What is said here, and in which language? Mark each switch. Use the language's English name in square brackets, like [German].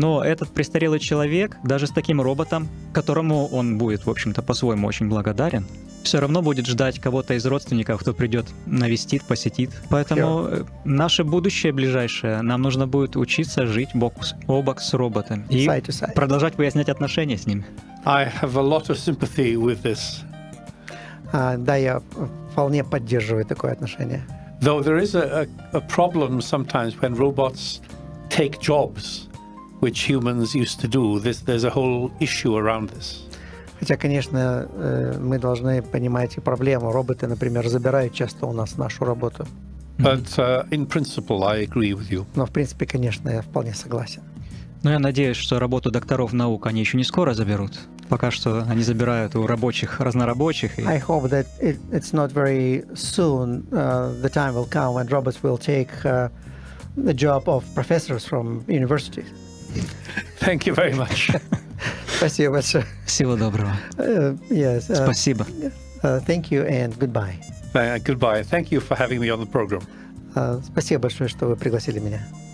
[Russian] Но этот престарелый человек, даже с таким роботом, которому он будет, в общем-то, по-своему очень благодарен, все равно будет ждать кого-то из родственников, кто придет, навестит, посетит. Поэтому наше будущее ближайшее, нам нужно будет учиться жить бок о бок с роботом и продолжать выяснять отношения с ним. [English] I have a lot of sympathy with this. [Russian] Да, я вполне поддерживаю такое отношение. [English] Though there is a problem sometimes when robots take jobs, which humans used to do. There's a whole issue around this. [Russian] Хотя, конечно, мы должны понимать и проблему. Роботы, например, забирают часто у нас нашу работу. [English] But in principle, I agree with you. [Russian] Но в принципе, конечно, я вполне согласен. Но я надеюсь, что работу докторов наук они еще не скоро заберут. Пока что они забирают у рабочих, разнорабочих. [English] И... I hope that it's not very soon. The time will come when robots will take the job of professors from universities. Thank you very much. [Russian] Спасибо большое. Всего доброго. Спасибо. [English] Thank you and goodbye. Goodbye. Thank you for having me on the program. [Russian] Спасибо большое, что вы пригласили меня.